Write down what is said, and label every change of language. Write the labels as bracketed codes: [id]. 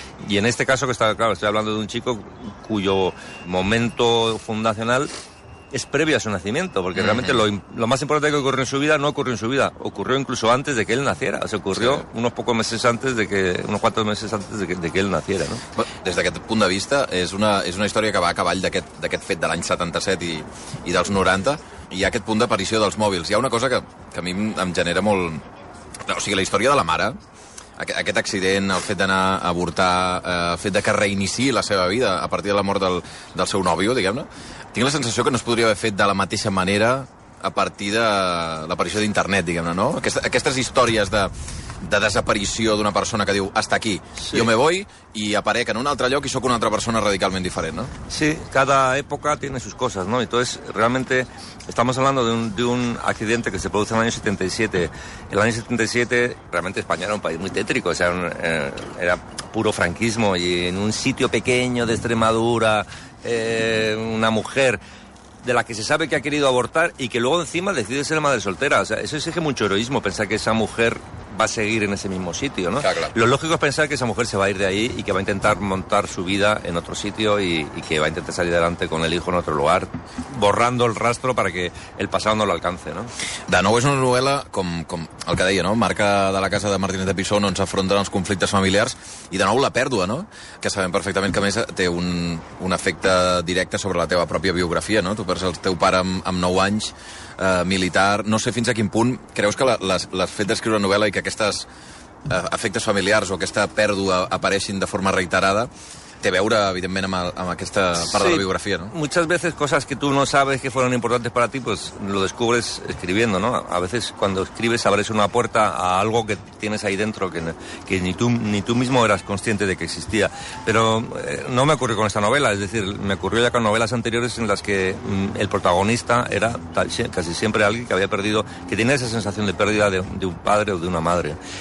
[es] Y en este caso, que está claro, estoy hablando de un chico cuyo momento fundacional es previo a su nacimiento, porque realmente lo más importante que ocurrió en su vida no ocurrió en su vida, ocurrió incluso antes de que él naciera. O sea, ocurrió unos pocos meses antes de que, unos cuantos meses antes de que él naciera, ¿no? [ca] Des d'aquest punt de vista, és una història que va a cavall d'aquest fet de l'any 77 i dels 90, i hi ha aquest punt d'aparició dels mòbils. Hi ha una cosa que a mi em genera molt... O sigui, la història de la mare, aquest accident, el fet d'anar a avortar, el fet de que reiniciï la seva vida a partir de la mort del seu nòvio, diguem-ne, tinc la sensació que no es podria haver fet de la mateixa manera a partir de l'aparició d'internet, diguem-ne, no? Aquestes històries de desaparició d'una persona que diu, està aquí, sí. Jo me voy i aparec en un altre lloc i sóc una altra persona radicalment diferent, no? [es] Sí, cada època tiene sus cosas, ¿no? Entonces, realmente, estamos hablando de un accidente que se produce en el año 77. El año 77, realmente España era un país muy tétrico, o sea, era puro franquismo y en un sitio pequeño de Extremadura, una mujer de la que se sabe que ha querido abortar y que luego encima decide ser madre soltera. O sea, eso exige mucho heroísmo, pensar que esa mujer va a seguir en ese mismo sitio, ¿no? Claro. Lo lógico es pensar que esa mujer se va a ir de ahí y que va a intentar montar su vida en otro sitio y que va a intentar salir adelante con el hijo en otro lugar, borrando el rastro para que el pasado no lo alcance, ¿no? [ca] De nou és una novel·la, com el que deia, no? Marca de la casa de Martínez de Pisón, on s'afronten els conflictes familiars, i de nou la pèrdua, no? Que sabem perfectament que a més té un efecte directe sobre la teva pròpia biografia, no? Tu perds el teu pare amb 9 anys, militar, no sé fins a quin punt creus que l'has fet d'escriure novel·la i que aquestes efectes familiars o aquesta pèrdua apareixin de forma reiterada té a veure, evidentment, amb aquesta part, sí, de la biografia, no? [es] Muchas veces cosas que tú no sabes que fueron importantes para ti, pues lo descubres escribiendo, ¿no? A veces cuando escribes abres una puerta a algo que tienes ahí dentro que ni tú mismo eras consciente de que existía. Pero no me ocurrió con esta novela, es decir, me ocurrió ya con novelas anteriores en las que el protagonista era casi siempre alguien que había perdido, que tenía esa sensación de pérdida de un padre o de una madre.